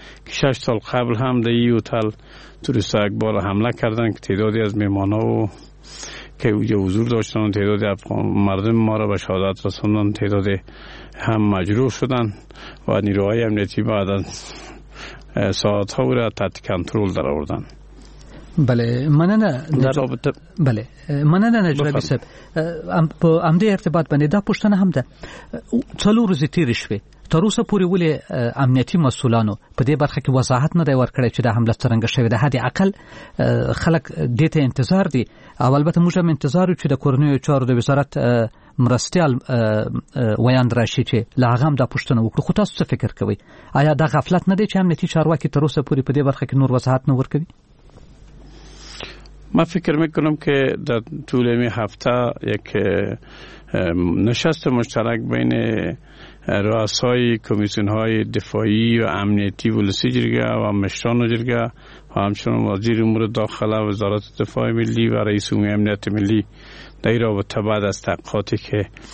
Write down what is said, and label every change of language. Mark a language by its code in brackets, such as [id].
[fa] شش سال قبل هم در این هتل توریست ها یک بار حمله کردن که تعدادی از میمان ها و که اوجه حضور داشتن و تعدادی مردم ما را به شهادت رساندن، تعدادی هم مجروح شدن و نیروهای امنیتی بعد از ساعت ها او را تحت کنترل در آوردن. [ps] بله مننه [fa] در رابطه [ps] بله مننه نجربی صاحب، په همدې ارتباط باندې دا پوښتنه هم ده، څلور ورځې تیرې شوې، تر اوسه پورې ولې امنیتي مسؤولانو په دې برخه کې وضاحت نه دی ورکړی چې دا حمله څرنګه شوې ده؟ حداقل خلک دې ته انتظار دي، او البته موږ هم انتظار یو چې د کورنیو چارو د وزارت مرستیال ویاند راشي چې له هغه هم دا پوښتنه وکړو. خو تاسو څه فکر کوئ، آیا دا غفلت نه دی چې امنیتي چارواکي تر اوسه پورې په دې برخه کې نور وضاحت نه ورکوي؟ [fa] ما فکر میکنم که در طول این هفته یک نشست مشترک بین رؤسای کمیسیون های دفاعی و امنیتی ولسی جرگه و مشتان جرگه و همچنان وزیر امور داخله وزارت دفاع ملی و رئیس عمومی امنیت ملی در این رابطه بعد از تحقیقاتی که